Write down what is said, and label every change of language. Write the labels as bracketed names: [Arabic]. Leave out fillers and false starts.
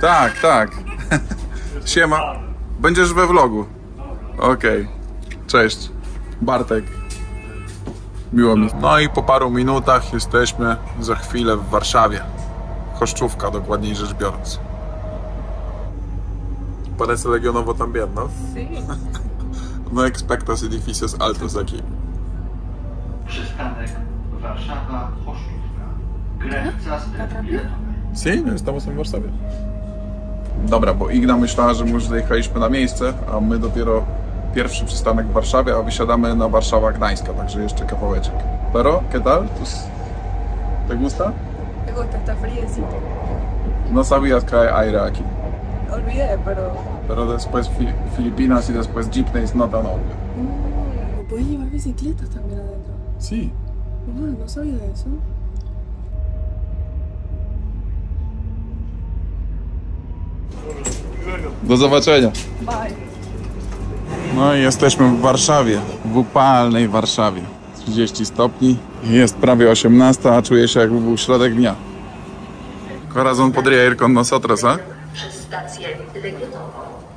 [Polish] Tak, tak. Siema. Będziesz we vlogu. Okej. Cześć. Bartek. Miło mi. No i po paru minutach jesteśmy za chwilę w Warszawie. Kościówka, dokładniej rzecz biorąc. Parece legionowo tam biedno. [Spanish] No expectas edificios altos aquí. [Polish] Przystanek Warszawa, Kościówka. Grecja z biletami. Si, estamos en Warszawie. Dobra, bo Igna myślała, że już dojechaliśmy na miejsce, a my dopiero pierwszy przystanek w Warszawie, a wysiadamy na Warszawa Gdańska, także jeszcze kawałeczek. [Spanish] Pero, ¿qué tal? ¿Te gusta? Me gusta, está friecito. No sabías que hay aire aquí. Olvidé, pero... Pero después Filipinas y después Jeepney es no tan obvio. ¿Puedes llevar bicicletas también adentro? Sí. No sabía de eso. [Polish] Do zobaczenia. [English] Bye. [Polish] No i jesteśmy w Warszawie. W upalnej Warszawie. 30 stopni. Jest prawie 18, a czuję się jakby był środek dnia. [Spanish] Corazón podría ir con nosotros, a? [Polish] Przez stację Legionowo.